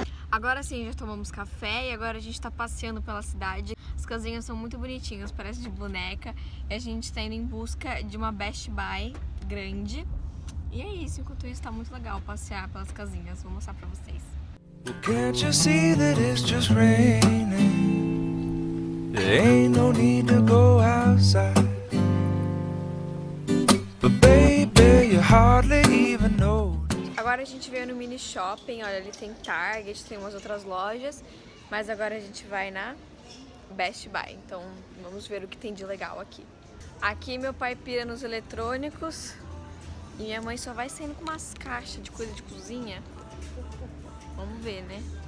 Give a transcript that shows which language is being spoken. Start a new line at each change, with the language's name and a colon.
Portuguese: Agora sim, já tomamos café e agora a gente tá passeando pela cidade. As casinhas são muito bonitinhas, parecem de boneca. E a gente tá indo em busca de uma Best Buy grande. E é isso, enquanto isso tá muito legal passear pelas casinhas. Vou mostrar pra vocês.
English: Can't you see that it's just raining? There ain't no need to go outside. But baby, you hardly even know.
Portuguese: Agora a gente veio no mini shopping, olha, ali tem Target, tem umas outras lojas, mas agora a gente vai na Best Buy, então vamos ver o que tem de legal aqui. Aqui meu pai pira nos eletrônicos e minha mãe só vai saindo com umas caixas de coisa de cozinha. Vamos ver, né?